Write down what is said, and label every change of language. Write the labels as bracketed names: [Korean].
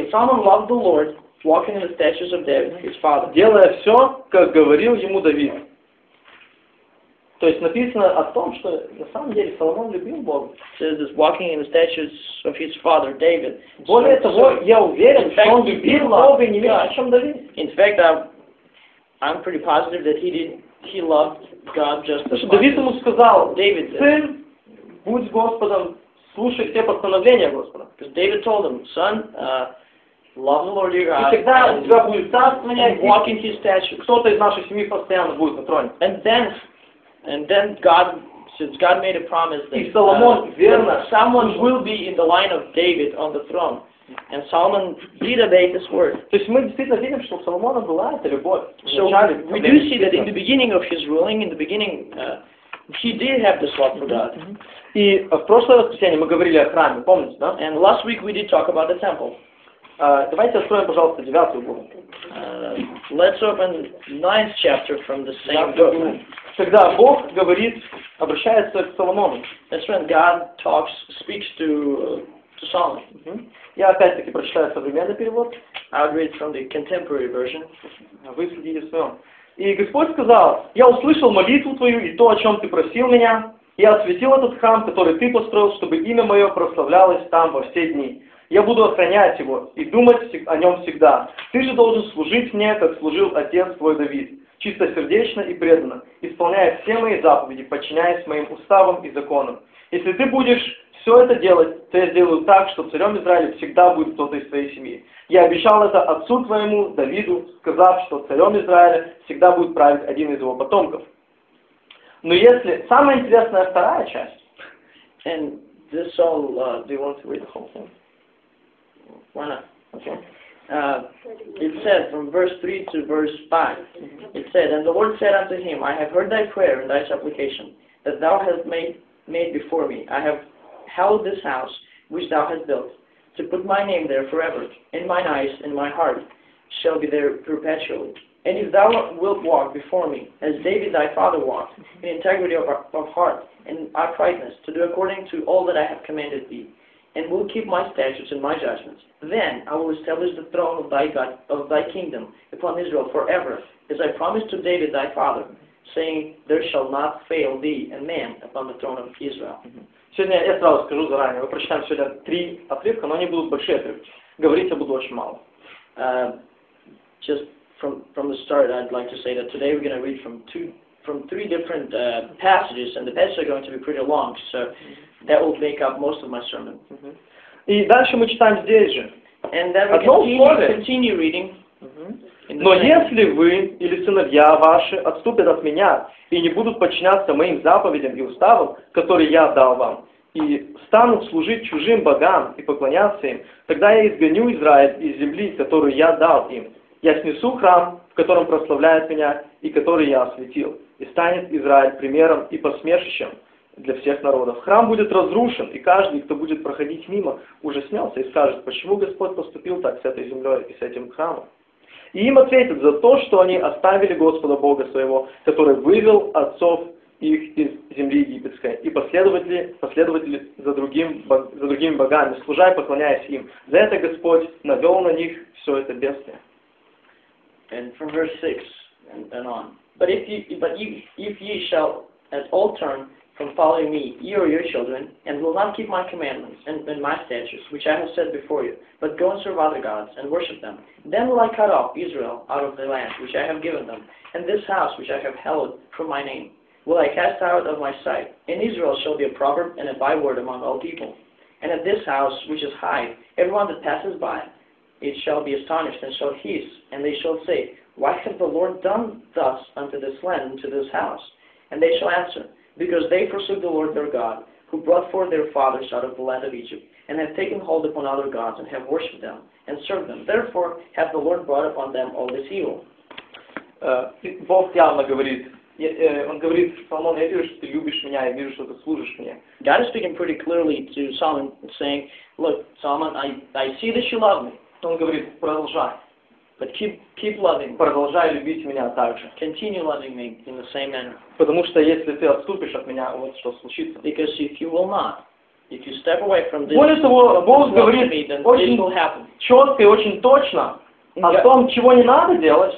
[English] And Solomon loved the Lord, walking in the statutes of David, his father. [Russian] Делая все, как говорил ему Давид. То есть написано о том, что на самом деле Соломон любил Бога. [English] Says he's walking in the statutes of his father David. [Russian] Более того, я уверен, что он любил Бога не меньше, чем Давид. [English] In fact, I'm pretty positive that he loved God just as much. [Russian] Давид ему сказал, [English] David, [Russian] сын, будь с Господом, слушай все постановления Господа. [English] Because David told him, son, love the Lord your God. [Russian] И всегда у тебя будет царствование. [English] Walk in his statutes. [Russian] Кто-то из нашей семьи постоянно будет на троне. [English] And then God, since God made a promise that Solomon, someone will be in the line of David on the throne, and Solomon did obey this word. [Russian] То есть мы действительно видим, что Соломона была эта любовь. [English] So we do see that in the beginning of his ruling, in the beginning, he did have this love for God. [Russian] И в прошлое воскресенье мы говорили о храме, помните, да? [English] And last week we did talk about the temple. [Russian] Давайте откроем, пожалуйста, девятую главу. [English] Let's open ninth chapter from the same book. [Russian] Когда Бог говорит, обращается к Соломону. [English] That's when God speaks to Solomon. Uh-huh. [Russian] Я опять-таки прочитаю современный перевод. [English] I'll read from the contemporary version. [Russian] Вы следите в своем. И Господь сказал, я услышал молитву твою и то, о чем ты просил меня. Я осветил этот храм, который ты построил, чтобы имя мое прославлялось там во все дни. Я буду охранять его и думать о нем всегда. Ты же должен служить мне, как служил отец твой Давид. Чистосердечно и преданно, исполняя все мои заповеди, подчиняясь моим уставам и законам. Если ты будешь все это делать, то я сделаю так, что царем Израиля всегда будет кто-то из твоей семьи. Я обещал это отцу твоему, Давиду, сказав, что царем Израиля всегда будет править один из его потомков. Но если... Самая интересная вторая часть. [English] And this all, do you want to read the whole thing? Why not? Okay. It said from verse 3 to verse 5, it said, and the Lord said unto him, I have heard thy prayer and thy supplication that thou hast made before me. I have held this house which thou hast built to put my name there forever, and mine eyes and my heart shall be there perpetually. And if thou wilt walk before me, as David thy father walked, in integrity of heart and uprightness, to do according to all that I have commanded thee, and will keep my statutes and my judgments, then I will establish the throne of thy God, of thy kingdom, upon Israel forever, as I promised to David thy father, saying, there shall not fail thee a man upon the throne of Israel. [Russian] Сегодня я сразу скажу заранее, мы прочитаем сегодня три отрывка, но они будут большие отрывки. Говорить я буду очень мало. [English] Just from the start, I'd like to say that today we're going to read from three different passages, and the passages are going to be pretty long, so that will make up most of my sermon. Mm-hmm. [Russian] И дальше мы читаем здесь же. [English] And then we continue reading. [Russian] Но если вы или сыновья ваши отступят от меня и не будут подчиняться моим заповедям и уставам, которые я дал вам, и станут служить чужим богам и поклоняться им, тогда я изгоню Израиль из земли, которую я дал им. Я снесу храм, в котором прославляют меня и который я осветил, и станет Израиль примером и посмешищем для всех народов. Храм будет разрушен, и каждый, кто будет проходить мимо, ужаснется и скажет, почему Господь поступил так с этой землей и с этим храмом. И им ответят за то, что они оставили Господа Бога своего, который вывел отцов их из земли египетской, и последователи за другими богами, служа и поклоняясь им. За это Господь навел на них все это бедствие. [English] And from verse 6 and on. But if ye shall at all turn from following me, ye or your children, and will not keep my commandments and my statutes, which I have set before you, but go and serve other gods and worship them, then will I cut off Israel out of the land which I have given them, and this house which I have hallowed for my name will I cast out of my sight, and Israel shall be a proverb and a byword among all people. And at this house which is high, everyone that passes by, it shall be astonished and shall hiss, and they shall say, why hath the Lord done thus unto this land and to this house? And they shall answer, because they forsook the Lord their God, who brought forth their fathers out of the land of Egypt, and have taken hold upon other gods, and have worshipped them, and served them. Therefore hath the Lord brought upon them all this evil. [Russian] Бог явно говорит, он говорит Соломон, я вижу, что ты любишь меня, я вижу, что ты служишь мне. [English] God is speaking pretty clearly to Solomon, saying, look, Solomon, I see that you love me. [Russian] Он говорит, продолжай. [English] But keep loving. [Russian] Продолжай любить меня также. [English] Continue loving me in the same manner. [Russian] Потому что если ты отступишь от меня, вот что случится. [English] Because if you will not, if you step away from this, [Russian] более того, Бог говорит очень четко и очень точно о том, чего не надо делать.